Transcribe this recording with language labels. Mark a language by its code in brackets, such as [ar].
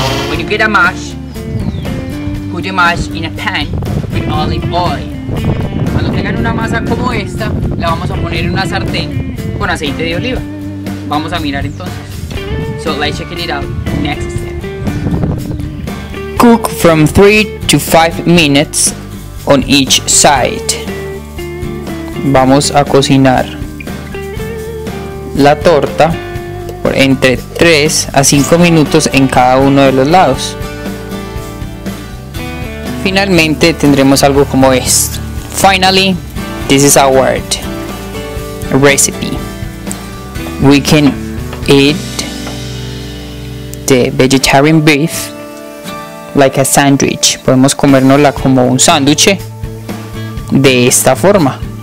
[en] When you get a mash, put your mash in a pan with olive oil. [es] Cuando tengan una masa como esta, la vamos a poner en una sartén con aceite de oliva. Vamos a mirar entonces. [en] So let's check it out. Next. Cook from 3 to 5 minutes on each side. [es] Vamos a cocinar la torta por entre 3 a 5 minutos en cada uno de los lados. Finalmente tendremos algo como esto. [en] Finally, this is our recipe. We can eat the vegetarian beef like a sandwich. [es] Podemos comérnosla como un sándwich de esta forma.